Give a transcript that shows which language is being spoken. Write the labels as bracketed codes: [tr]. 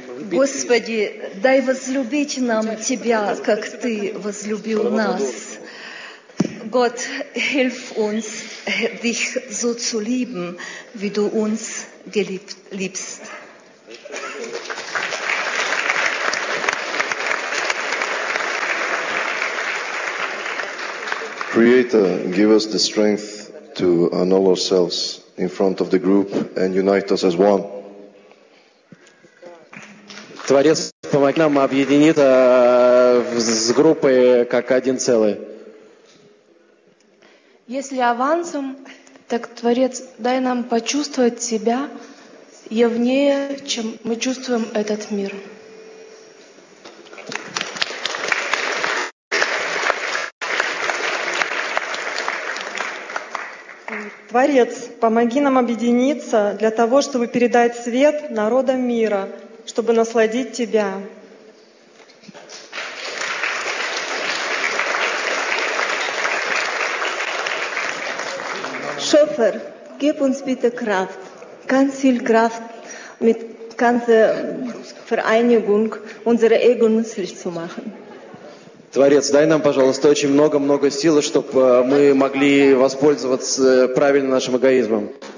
[ru] Господи, дай возлюбить нам тебя, как ты возлюбил нас. [de] Gott, hilf uns, dich so zu lieben, wie du uns liebst. [en] Creator, give us the strength to annul ourselves in front of the group and unite us as one. [ru] Творец, помоги нам объединиться с группой как один целый. Если авансом, так, Творец, дай нам почувствовать себя явнее, чем мы чувствуем этот мир. Творец, помоги нам объединиться для того, чтобы передать свет народам мира, чтобы насладить Тебя. [de] Schöpfer, gib uns bitte Kraft, ganz viel Kraft, mit ganzer Vereinigung unsere Ego nützlich zu machen. [ru] Творец, дай нам, пожалуйста, очень много-много силы, чтобы мы могли воспользоваться правильно нашим эгоизмом.